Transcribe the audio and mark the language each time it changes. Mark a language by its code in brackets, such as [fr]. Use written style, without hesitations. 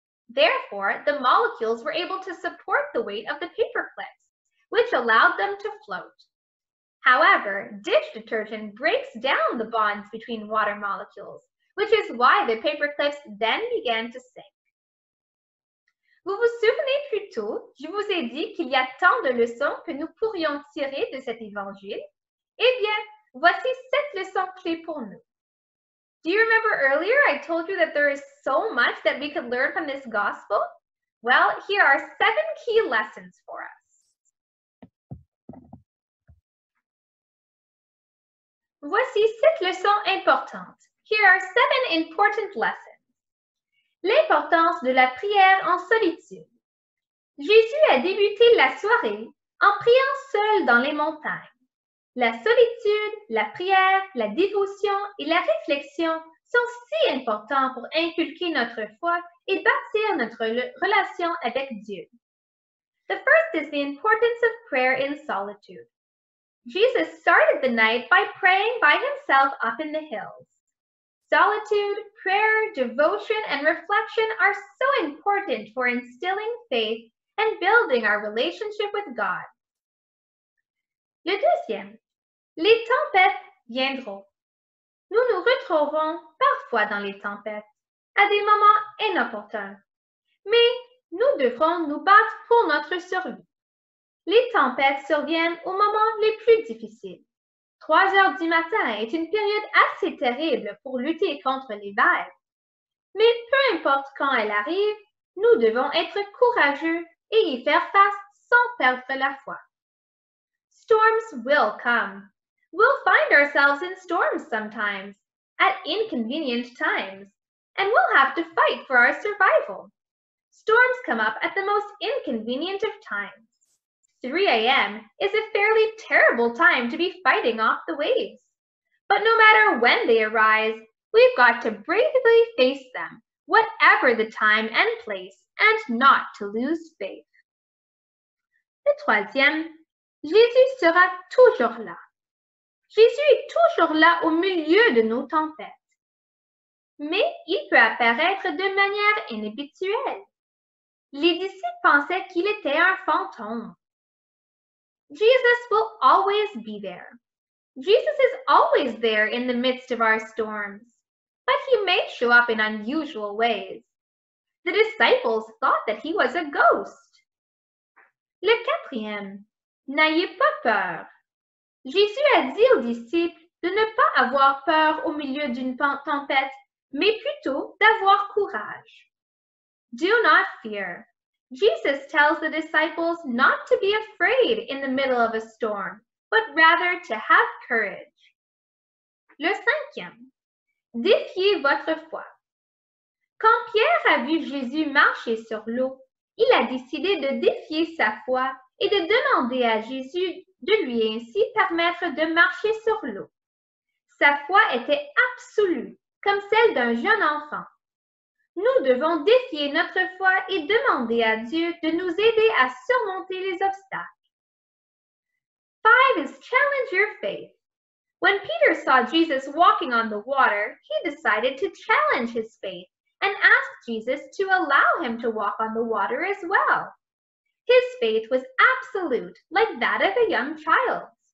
[en] Therefore, the molecules were able to support the weight of the paperclips, which allowed them to float. However, dish detergent breaks down the bonds between water molecules, which is why the paper clips then began to sink. [fr] Vous vous souvenez plus tôt, je vous ai dit qu'il y a tant de leçons que nous pourrions tirer de cet évangile? Eh bien, voici sept leçons clés pour nous. [en] Do you remember earlier I told you that there is so much that we could learn from this gospel? Well, here are seven key lessons for us. [fr] Voici sept leçons importantes. [en] Here are seven important lessons. [fr] L'importance de la prière en solitude. Jésus a débuté la soirée en priant seul dans les montagnes. La solitude, la prière, la dévotion et la réflexion sont si importants pour inculquer notre foi et bâtir notre relation avec Dieu. [en] The first is the importance of prayer in solitude. Jesus started the night by praying by himself up in the hills. Solitude, prayer, devotion, and reflection are so important for instilling faith and building our relationship with God. [fr] Le deuxième. Les tempêtes viendront. Nous nous retrouverons parfois dans les tempêtes, à des moments inopportuns. Mais nous devrons nous battre pour notre survie. Les tempêtes surviennent aux moments les plus difficiles. 3 heures du matin est une période assez terrible pour lutter contre les vagues. Mais peu importe quand elle arrive, nous devons être courageux et y faire face sans perdre la foi. [en] Storms will come. We'll find ourselves in storms sometimes, at inconvenient times, and we'll have to fight for our survival. Storms come up at the most inconvenient of times. 3 a.m. is a fairly terrible time to be fighting off the waves. But no matter when they arise, we've got to bravely face them, whatever the time and place, and not to lose faith. [fr] Le troisième, Jésus sera toujours là. Jésus est toujours là au milieu de nos tempêtes. Mais il peut apparaître de manière inhabituelle. Les disciples pensaient qu'il était un fantôme. [en] Jesus will always be there. Jesus is always there in the midst of our storms. But he may show up in unusual ways. The disciples thought that he was a ghost. [fr] Le quatrième, n'ayez pas peur. Jésus a dit aux disciples de ne pas avoir peur au milieu d'une tempête, mais plutôt d'avoir courage. [en] Do not fear. Jesus tells the disciples not to be afraid in the middle of a storm, but rather to have courage. [fr] Le cinquième. Défiez votre foi. Quand Pierre a vu Jésus marcher sur l'eau, il a décidé de défier sa foi et de demander à Jésus de lui ainsi permettre de marcher sur l'eau. Sa foi était absolue, comme celle d'un jeune enfant. Nous devons défier notre foi et demander à Dieu de nous aider à surmonter les obstacles. [en] 5 is challenge your faith. When Peter saw Jesus walking on the water, he decided to challenge his faith and asked Jesus to allow him to walk on the water as well. His faith was absolute, like that of a young child.